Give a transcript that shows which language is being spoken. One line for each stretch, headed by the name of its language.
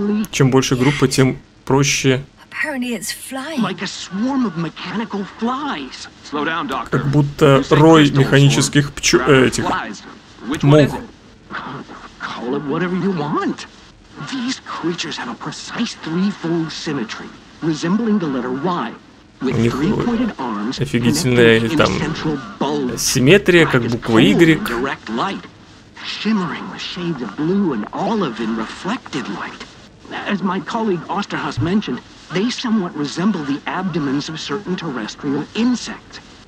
Russian: Чем больше группа, тем проще. Как будто рой механических этих мух.
English: Call it whatever you want. These creatures have a precise threefold symmetry, resembling the letter Y.
Russian: У них офигительная там симметрия, как буква Y.
English: Shimmering with shades of blue and olive in reflected light. As my colleague Osterhaus mentioned, they somewhat resemble the abdomens of certain terrestrial insects.